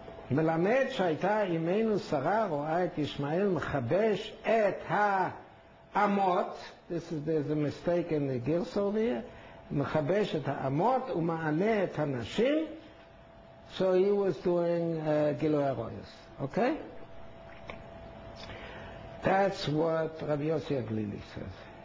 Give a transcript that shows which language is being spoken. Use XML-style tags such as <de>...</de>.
<he>מלמד שהייתה אמנו שרה רואה את ישמעאל מחבש את האמות.</he> <en>This is, there's a mistake in the girsa over here.</en> <he>מחבש את האמות ומענה את הנשים.</he> <en>So he was doing גילוי הרויס. Okay? That's what רבי יוסי הגלילי says.</en>